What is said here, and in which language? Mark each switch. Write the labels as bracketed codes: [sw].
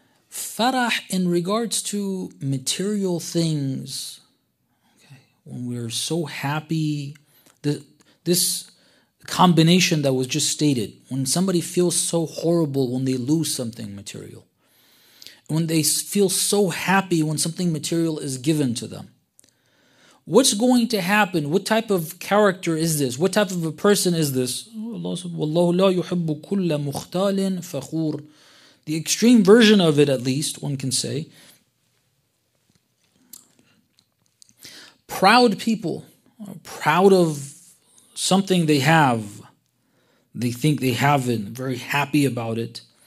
[en] Farah in regards to material things, when we're so happy, this combination that was just stated, when somebody feels so horrible when they lose something material, when they feel so happy when something material is given to them, what's going to happen? What type of character is this? What type of a person is this? Allah said, [ar] وَاللَّهُ لَا يُحِبُّ كُلَّ مُخْتَالٍ فَخُورٍ. [en] The extreme version of it, at least, one can say, proud people, proud of something they have, they think they have it, very happy about it.